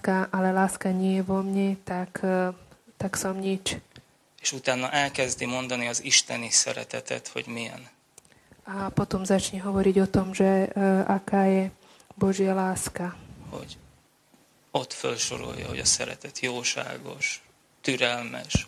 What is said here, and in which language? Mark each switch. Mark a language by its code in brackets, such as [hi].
[sk] Ale láska nie je vo mne, tak som nič. [hu] És utána elkezdi mondani az isteni szeretetet, hogy milyen. [sk] A potom začne hovoriť o tom, že aká je Božia láska. [hu] Hogy ott felsorolja, hogy a szeretet jóságos, türelmes,